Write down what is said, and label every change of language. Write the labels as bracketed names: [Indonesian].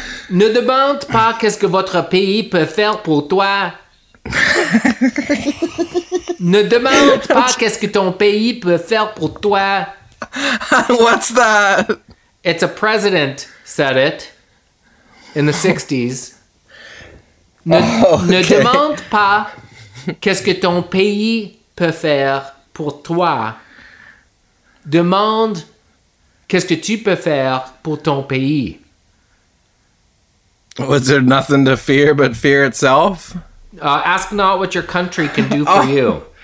[French] Ne demande pas qu'est-ce que votre pays peut faire pour toi. Ne demande pas qu'est-ce que ton pays peut faire pour toi. [English] What's that? It's a president said it in the 60s. [French] Ne demande pas qu'est-ce que ton pays peut faire pour toi. Demande qu'est-ce que tu peux faire pour ton pays. [English] Was there nothing to fear but fear itself? Ask not what your country can do for you.